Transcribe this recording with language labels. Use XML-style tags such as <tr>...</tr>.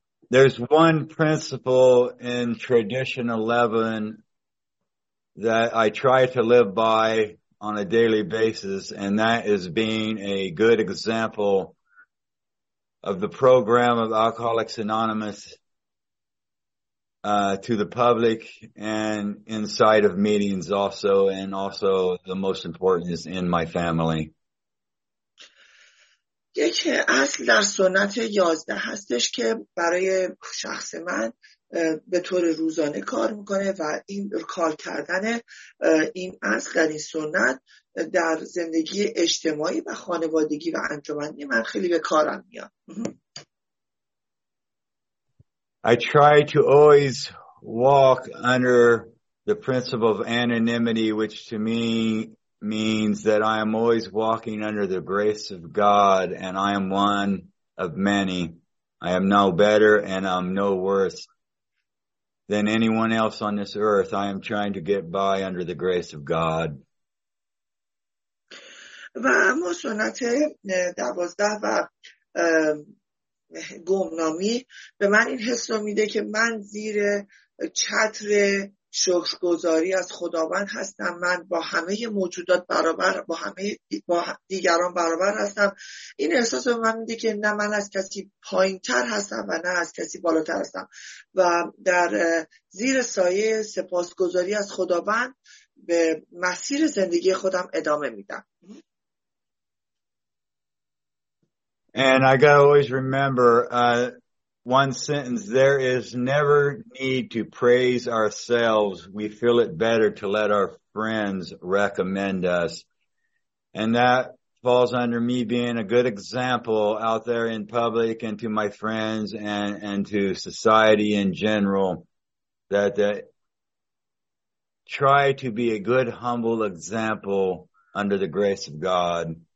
<en>There's one principle in tradition 11 that I try to live by on a daily basis, and that is being a good example of the program of Alcoholics Anonymous to the public and inside of meetings also, and also the most important is in my family.</en> <fa>یکی اصل در سنت 11 هستش که برای شخص من به طور روزانه کار میکنه و این کار کردن این اصل در این سنت در زندگی اجتماعی و خانوادگی و انجمنی من خیلی به کارم میاد.</fa> <en>I try to always walk under the principle of anonymity, which to me means that I am always walking under the grace of God and I am one of many. I am no better and I'm no worse than anyone else on this earth. I am trying to get by under the grace of God.</en> <fa>و اما سنت 12 و گمنامی به من این حس رو میده که من زیر چتر شکرگزاری از خداوند هستم. من با همه موجودات برابر، با همه با دیگران برابر هستم. این احساس به من میده که نه من از کسی پایین تر هستم و نه از کسی بالاتر هستم و در زیر سایه سپاسگزاری از خداوند به مسیر زندگی خودم ادامه میدم.</fa> <en>And I gotta always remember one sentence: there is never need to praise ourselves. We feel it better to let our friends recommend us. And that falls under me being a good example out there in public and to my friends and to society in general, that try to be a good, humble example under the grace of God.</en>